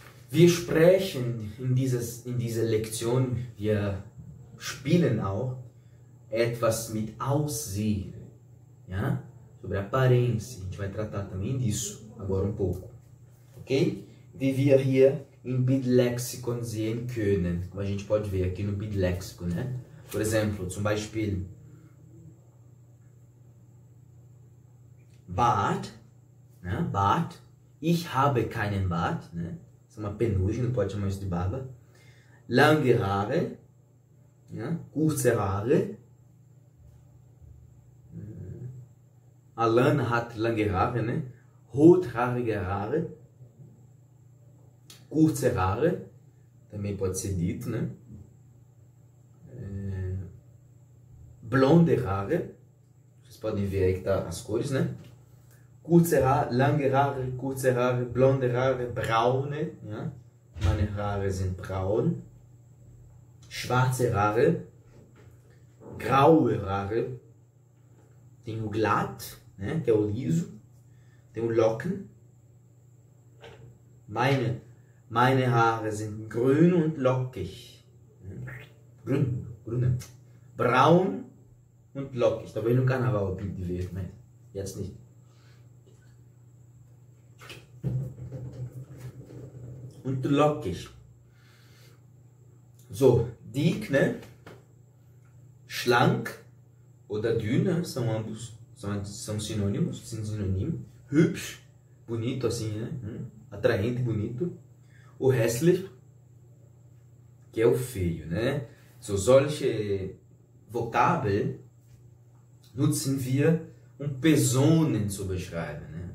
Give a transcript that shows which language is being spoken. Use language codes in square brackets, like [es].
[de] Wir sprechen in dieser Lektion, wir spielen auch etwas mit Aussehen. [pt] Ja? Sobre a aparência. A gente vai tratar também disso agora um pouco. Ok? [de] Wie wir hier im Bildlexikon sehen können. [pt] Como a gente pode ver aqui no Bildlexikon, né? Por exemplo, [de] zum Beispiel. Bart, né? Bart. Ich habe keinen Bart, né? [pt] Isso é uma penugem, não pode chamar isso de barba. [de] Lange Haare, né? Kurze Haare. Alan hat lange Haare, né? Rothaarige Haare. Kurze Haare, [pt] também pode ser dito, né? [de] Blonde Haare, [pt] vocês podem ver aí que tá as cores, né? [de] Kurze Haare, lange Haare, kurze Haare, blonde Haare, braune, ja? Meine Haare sind braun. Schwarze Haare, graue Haare. [pt] Tenho glatt, né? Que é o liso. Tenho locken. [de] Meine Haare sind grün und lockig. Grün. Braun und lockig. [pt] Talvez no carnaval eu pinte de verde, mas [de] jetzt nicht. Und lockig. So, dick, né? schlank oder dünn, [pt] são ambos, são sinônimos, [de] sind synonym. [pt] Hübsch, bonito assim, né? Atraente, bonito. O hässlich, que é o feio, né? [de] So solche Vokabel nutzen wir, Personen zu beschreiben, né?